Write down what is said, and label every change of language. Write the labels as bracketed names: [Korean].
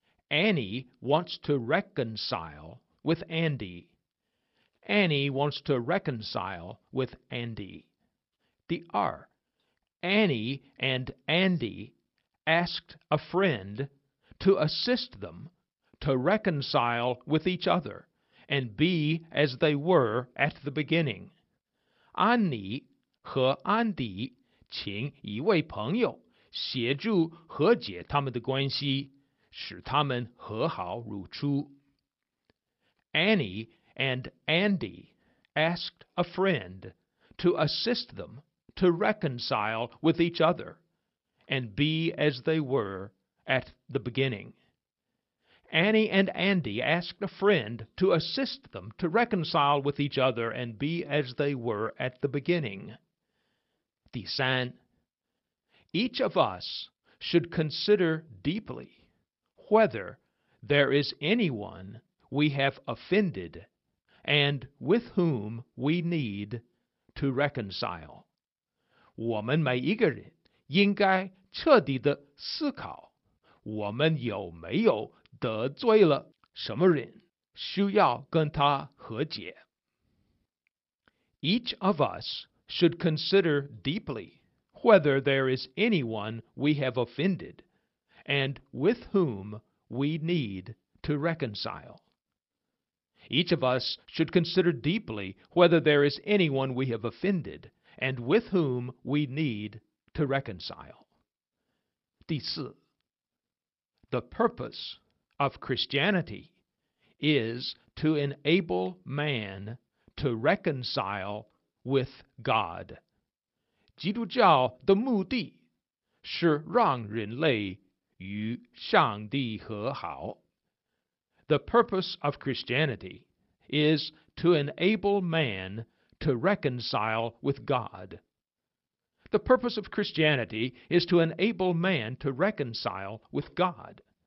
[English] Annie wants to reconcile with Andy， Annie wants to reconcile with Andy。 [Chinese] 第二， [English] Annie and Andy asked a friend to assist themTo reconcile with each other and be as they were at the beginning. [Chinese] 安妮和安迪请一位朋友协助和解他们的关系，使他们和好如初。 [English] Annie and Andy asked a friend to assist them to reconcile with each other and be as they were at the beginning. Annie and Andy asked a friend to assist them to reconcile with each other and be as they were at the beginning. [Chinese] 第三， [English] Each of us should consider deeply whether there is anyone we have offended and with whom we need to reconcile. [Chinese] 我们每一个人应该彻底地思考，我们有没有得罪了什么人，需要跟他和解。 [English] Each of us should consider deeply whether there is anyone we have offended and with whom we need to reconcile. Each of us should consider deeply whether there is anyone we have offended and with whom we need to reconcile. [Chinese] 第四， [English] The purpose of Christianity is to enable man to reconcile with God. [Chinese] 基督教的目的是让人类与上帝和好。 [English] The purpose of Christianity is to enable man to reconcile with God. The purpose of Christianity is to enable man to reconcile with God.